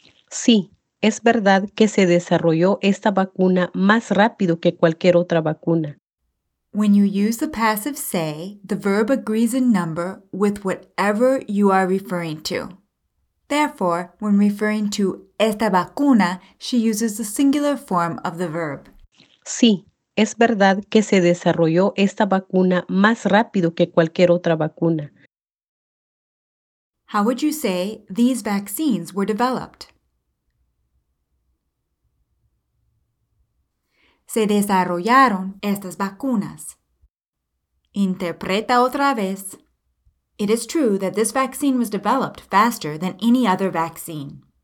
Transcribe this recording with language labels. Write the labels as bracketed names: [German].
[Spanish] Sí, es verdad que se desarrolló esta vacuna más rápido que cualquier otra vacuna. [English] When you use the passive say, the verb agrees in number with whatever you are referring to. Therefore, when referring to [Spanish] esta vacuna, [English] she uses the singular form of the verb. [Spanish] Sí, es verdad que se desarrolló esta vacuna más rápido que cualquier otra vacuna. [English] How would you say these vaccines were developed? [Spanish] Se desarrollaron estas vacunas. Interpreta otra vez. [English] It is true that this vaccine was developed faster than any other vaccine.